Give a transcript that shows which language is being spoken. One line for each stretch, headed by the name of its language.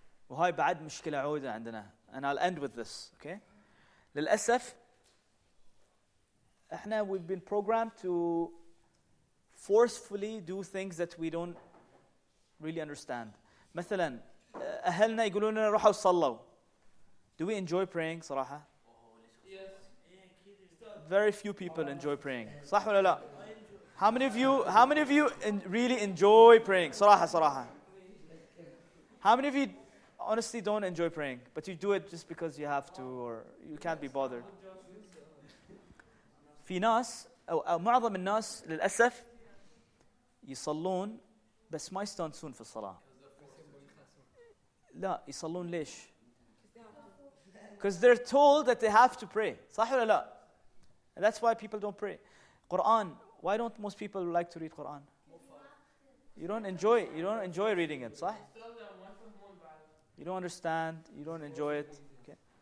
Arabic: وهاي بعد مشكلة عودة عندنا.
English: And I'll end with this. Okay.
Arabic: للأسف احنا
English: we've been programmed to forcefully do things that we don't really understand.
Arabic: مثلا أهلنا يقولون لنا روحوا صلوا.
English: Do we enjoy praying
Arabic: صراحة?
English: Very few people enjoy praying.
Arabic: صح ولا لا?
English: How many of you really enjoy praying?
Arabic: صراحة.
English: How many of you honestly don't enjoy praying, but you do it just because you have to or you can't be bothered?
Arabic: في ناس أو معظم الناس للأسف يصلون بس ما يستانسون في الصلاة. لا يصلون ليش?
English: Because they're told that they have to pray.
Arabic: صح ولا لا?
English: And that's why people don't pray. Quran. Why don't most people like to read Quran? You don't enjoy reading it,
Arabic: صح?
English: You don't understand. You don't enjoy it. Okay.